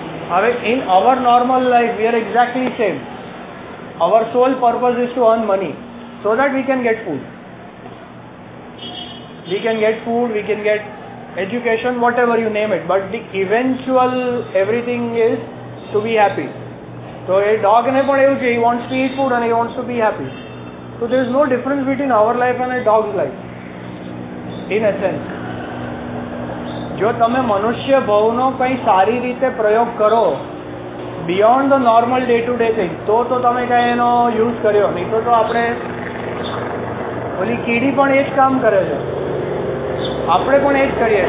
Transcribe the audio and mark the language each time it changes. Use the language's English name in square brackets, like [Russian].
[English] હવે in our normal life we are exactly same. Our sole purpose is to earn money so that we can get food, we can get food, we can get education, whatever you name it, but the eventual everything is to be happy. [Gujarati] તો એ ડોગને પણ એવું છે, [English] He wants to eat food અને he wants to be happy. So there is no difference between our life and a dog's life, in a sense. [Gujarati] જો તમે મનુષ્ય ભવનો કંઈ સારી રીતે પ્રયોગ કરો [English] beyond the normal day to day thing, [Gujarati] તો તમે કંઈ એનો યુઝ કર્યો, નહીં તો આપણે ઓલી કીડી પણ એ જ કામ કરે છે, આપણે પણ એ જ કરીએ.